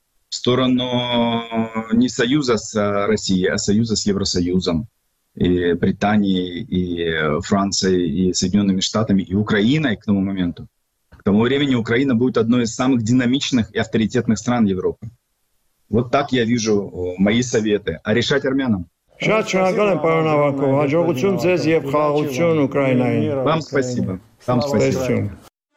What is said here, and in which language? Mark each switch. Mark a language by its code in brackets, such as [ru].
[ru] В сторону не союза с Россией, а союза с Евросоюзом, и Британией, и Францией, и Соединенными Штатами, и Украиной к тому моменту. К тому времени Украина будет одной из самых динамичных и авторитетных стран Европы. Вот так я вижу мои советы. А решать армянам? [hy] Շատ շնորհակալ եմ, պարոն Ավակով, հաջողություն ձեզ և խաղաղություն Ուկրաինային։ [ru] Вам спасибо. Вам спасибо.